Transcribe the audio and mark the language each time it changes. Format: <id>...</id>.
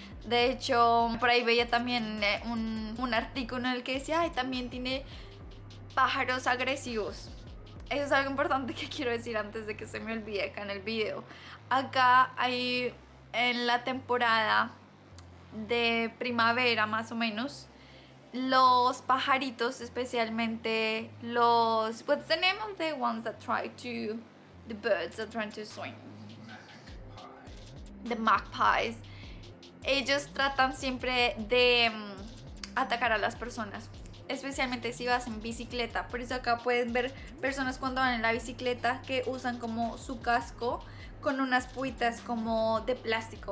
<es>De hecho, por ahí veía también un artículo en el que decía, ay, también tiene pájaros agresivos. Eso es algo importante que quiero decir antes de que se me olvide acá en el video. Acá hay en la temporada de primavera, más o menos, los pajaritos, especialmente los.</es> <en>What's the name of the ones that try to. The birds that try to swing. The magpies.</en> <es>Ellos tratan siempre de atacar a las personas, especialmente si vas en bicicleta. Por eso acá pueden ver personas cuando van en la bicicleta que usan como su casco con unas púitas como de plástico.</es>